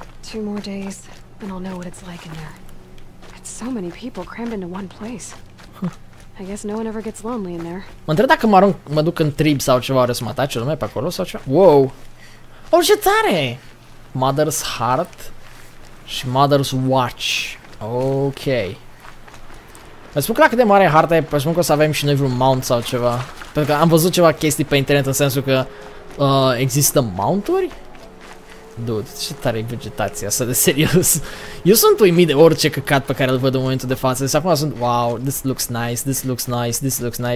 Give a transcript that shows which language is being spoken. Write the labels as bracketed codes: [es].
[en] Two more days, and I'll know what it's like in there. It's so many people crammed into one place. I guess no one ever gets lonely in there. [ro] Mă întreb dacă mă duc în trib sau ceva, oare să mă atace lumea pe acolo sau ceva? [en] Wow! [ro] Oh, ce tare! [en] Mother's heart și Mother's watch. Ok. [ro] Îți spun că la cât de mare e harta, îți spun că o să avem și noi vreun mount sau ceva. Pentru că am văzut ceva chestii pe internet în sensul că există mounturi? Dude, ce tare e vegetația asta, de serios. Eu sunt uimit de orice căcat pe care îl văd în momentul de față. Deci acum sunt, [en] wow, this looks nice, this looks nice, this looks nice.